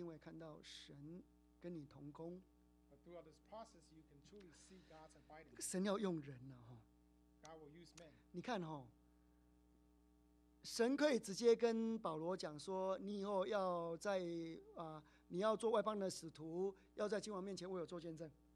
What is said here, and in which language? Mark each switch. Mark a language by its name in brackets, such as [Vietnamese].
[Chinese] 在这个过程当中啊，你一定会看到神跟你同工 [English] But throughout this process, you can truly see God's abiding. [Chinese] 神要用人了哈 [English] God will use men. [Chinese] 你看哈 神可以直接跟保罗讲说，你以后要在你要做外邦的使徒，要在君王面前为我做见证。